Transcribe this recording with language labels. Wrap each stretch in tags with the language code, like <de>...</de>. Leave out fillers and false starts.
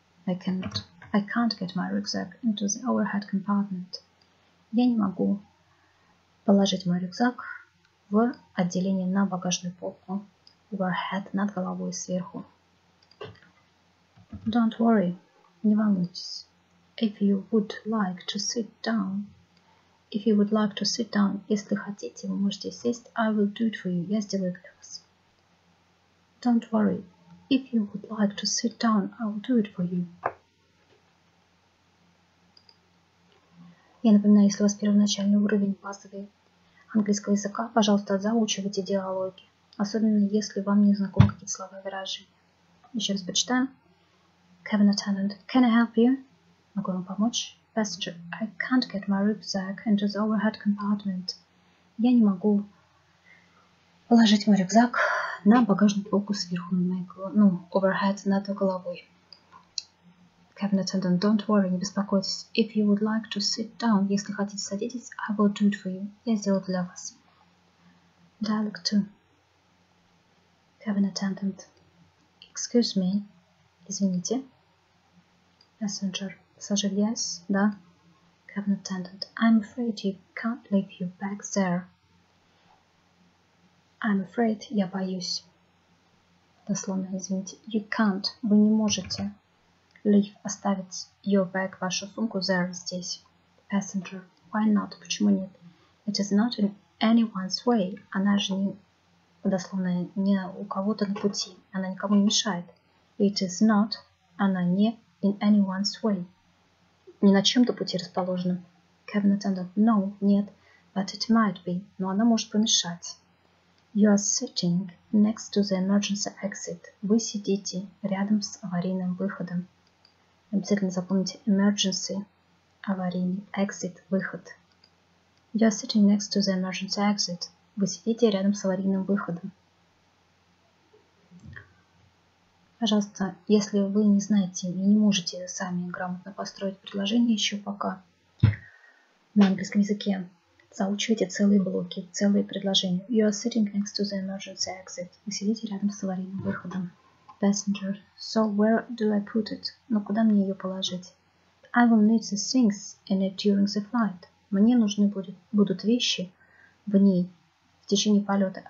<en>I can't get my rucksack into the overhead compartment.</en> <ru>Я не могу положить мой рюкзак в отделение на багажную полку. Overhead, над головой, сверху.</ru> <en>Don't worry,</en> <ru>не волнуйтесь.</ru> <en>If you would like to sit down. If you would like to sit down,</en> <ru>если хотите, вы можете сесть.</ru> <en>I will do it for you.</en> <ru>Я сделаю это для вас.</ru> <en>Don't worry. If you would like to sit down, I will do it for you.</en> <ru>Я напоминаю, если у вас первоначальный уровень базовый английского языка, пожалуйста, заучивайте диалоги. Особенно, если вам не знакомы какие-то слова и выражения. Еще раз почитаем. Cabin attendant,</ru> <en>can I help you?</en> <ru>Могу вам помочь?</ru> <en>Passenger, I can't get my rucksack into the overhead compartment.</en> <ru>Я не могу положить мой рюкзак на багажную полку сверху, overhead, над головой.</ru> <en>Cabin attendant, don't worry,</en> <ru>не беспокойтесь.</ru> <en>If you would like to sit down,</en> <ru>если хотите садитесь,</ru> <en>I will do it for you.</en> <ru>Я сделаю для вас.</ru> <en>Dialogue 2. Cabin attendant, excuse me,</en> <ru>извините.</ru> <en>Passenger.</en> <ru>Пассажир, yes, да.</ru> <en>Cabin attendant, I'm afraid you can't leave your bag there. I'm afraid,</en> <ru>я боюсь. Дословно, извините.</ru> <en>You can't,</en> <ru>вы не можете leave, оставить</ru> <en>your bag,</en> <ru>вашу сумку, there, здесь.</ru> <en>Passenger, why not,</en> <ru>почему нет?</ru> <en>It is not in anyone's way.</en> <ru>Она же не, дословно, не у кого-то на пути. Она никому не мешает.</ru> <en>It is not,</en> <ru>она не</ru> <en>in anyone's way.</en> <ru>Не на чем-то пути расположены.</ru> <en>Cabin attendant, no, нет. But it might be.</en> <ru>Но она может помешать.</ru> <en>You are sitting next to the emergency exit.</en> <ru>Вы сидите рядом с аварийным выходом. Обязательно запомните. Emergency, аварийный, exit, выход.</ru> <en>You're sitting next to the emergency exit.</en> <ru>Вы сидите рядом с аварийным выходом. Пожалуйста, если вы не знаете и не можете сами грамотно построить предложение еще пока на английском языке, заучивайте целые блоки, целые предложения.</ru> <en>You are sitting next to the emergency exit.</en> <ru>Вы сидите рядом с аварийным выходом.</ru> <en>Passenger. So where do I put it?</en> <ru>Ну, куда мне ее положить?</ru> <en>I will need the things in it during the flight.</en> <ru>Мне нужны будут вещи в ней в течение полета.</ru>